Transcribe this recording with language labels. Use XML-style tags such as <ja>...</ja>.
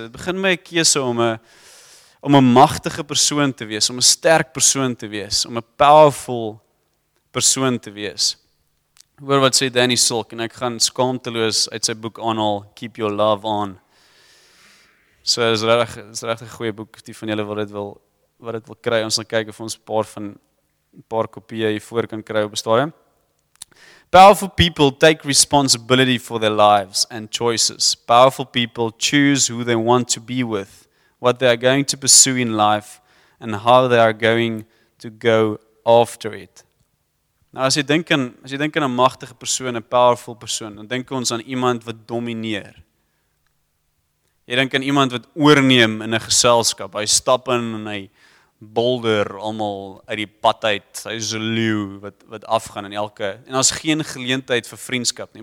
<af>Dit begin met 'n keuse om 'n magtige persoon te wees, om 'n sterk persoon te wees, om 'n powerful persoon te wees. Hoor wat sê Danny Silk, en ek gaan skaamteloos uit sy boek aanhaal, Keep Your Love On. So is regtig 'n goeie boek, die van julle wat dit wil kry. Ons sal kyk of ons paar kopieë hiervoor kan kry op 'n stadium.</af> <en>Powerful people take responsibility for their lives and choices. Powerful people choose who they want to be with, what they are going to pursue in life, and how they are going to go after it.</en> <af>Nou, as jy dink aan 'n magtige persoon, 'n powerful persoon, dan dink ons aan iemand wat domineer. Jy dink aan iemand wat oorneem in 'n geselskap. Hy stap in en hy bolder almal uit die pad uit. Hy is 'n leeu wat afgaan in elke. En daar's geen geleentheid vir vriendskap nie.</af>